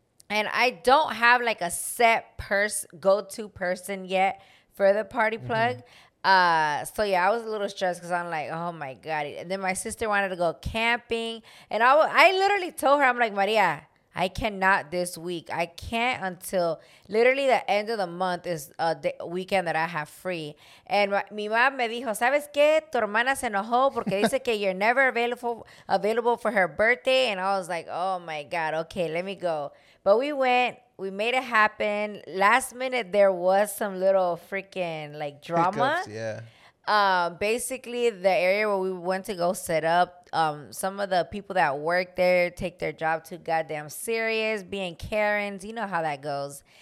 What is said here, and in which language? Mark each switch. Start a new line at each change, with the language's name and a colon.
English: And I don't have like a set go-to person yet for the party plug. So yeah, I was a little stressed because I'm like, oh my God. And then my sister wanted to go camping. And I literally told her, I'm like, Maria, I cannot this week. I can't until literally the end of the month is a weekend that I have free. And
Spanish: mi mom me dijo, ¿sabes qué? Tu hermana se enojó porque dice que
English: you're never available for her birthday. And I was like, oh my God, okay, let me go. But we went. We made it happen. Last minute, there was some little freaking like drama. Basically, the area where we went to go set up, some of the people that work there take their job too goddamn serious, being Karens. You know how that goes.